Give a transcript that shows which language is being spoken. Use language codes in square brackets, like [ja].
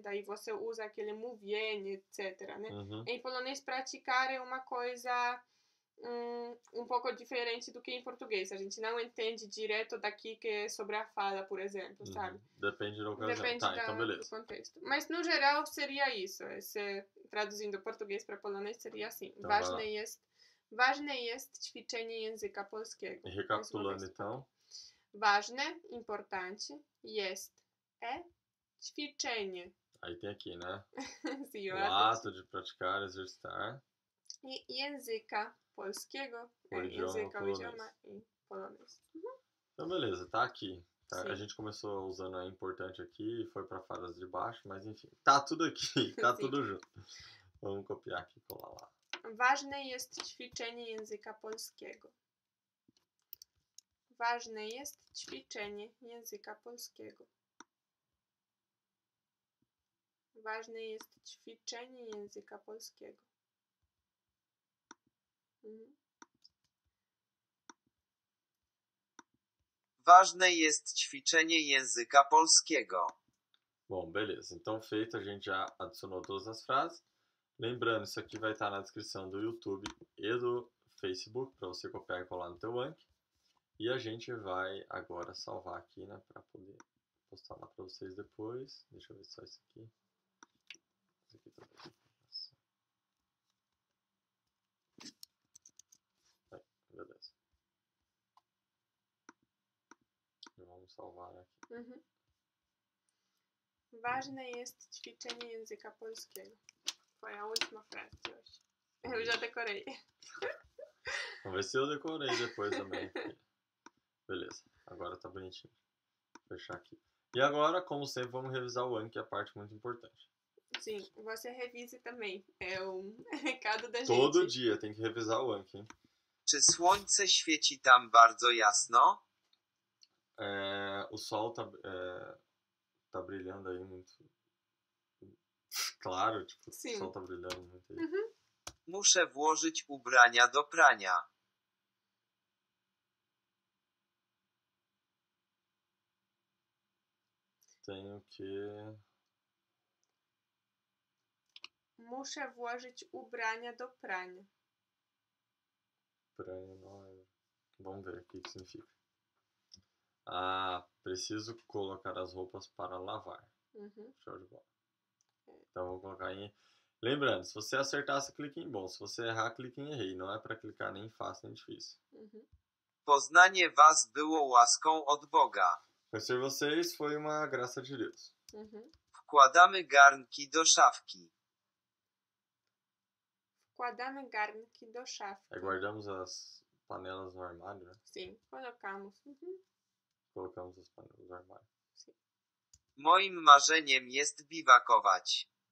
[pt] Daí você usa aquele mówienie, etc, né? Em polonês, praticar é uma coisa um pouco diferente do que em português. A gente não entende direto daqui que é sobre a fala, por exemplo, sabe? Depende do contexto. Depende do contexto. Mas, no geral, seria isso. Traduzindo português para polonês, seria assim. Então, [pl] ważne jest... Ważne jest ćwiczenie języka polskiego. [pt] Recapitulando, então. Ważne, importante, jest, é, ćwiczenie. Aí tem aqui, né? Sim, o ato de praticar, exercitar. [pl] E języka polskiego. [pt] Języka, o idioma em polonês. Então, beleza, tá aqui. Tá? A gente começou usando a importante aqui, foi pra falas de baixo, mas enfim. Tá tudo aqui, tá tudo junto. Vamos copiar aqui e colar lá. [pl] Ważne jest ćwiczenie języka polskiego. Ważne jest ćwiczenie języka polskiego. Ważne jest ćwiczenie języka polskiego. Ważne jest ćwiczenie języka polskiego. [pt] Bom, beleza. Então feito, a gente já adicionou todas as frases. Lembrando, isso aqui vai estar na descrição do YouTube e do Facebook para você copiar e colar no teu Anki. E a gente vai agora salvar aqui, né, para poder postar lá para vocês depois. Deixa eu ver só isso aqui. Isso aqui tá... Aí, beleza. E vamos salvar aqui. [pl] Ważne jest ćwiczenie języka polskiego. [pt] Foi a última frase hoje. Eu já decorei. Vamos ver se eu decorei depois também. Beleza, agora tá bonitinho. Vou fechar aqui. E agora, como sempre, vamos revisar o Anki, que é a parte muito importante. Sim, você revise também. É um recado da gente. Todo dia tem que revisar o Anki, hein? [pl] Czy słońce świeci tam bardzo jasno? [pt] O sol tá brilhando aí muito... Claro, tipo, Sim. o sol tá brilhando muito aí. [pl] Muszę włożyć ubrania do prania. [pt] Tenho que... [pl] Muszę włożyć ubrania do prania. [pt] Pranoia. Vamos ver o que significa. Ah, preciso colocar as roupas para lavar. Show de bola. Então vou colocar em. Lembrando, se você acertar, você clica em bom. Se você errar, clica em errei. Não é para clicar nem fácil nem difícil. [pl] Poznanie was było łaską od Boga. [pt] Conhecer vocês foi uma graça de Deus. [pl] Wkładamy garnki do szafki. Wkładamy garnki do szafki. [pt] É, guardamos as panelas no armário, né? Sim, colocamos. Colocamos as panelas no armário. [pl] Moim marzeniem jest biwakować.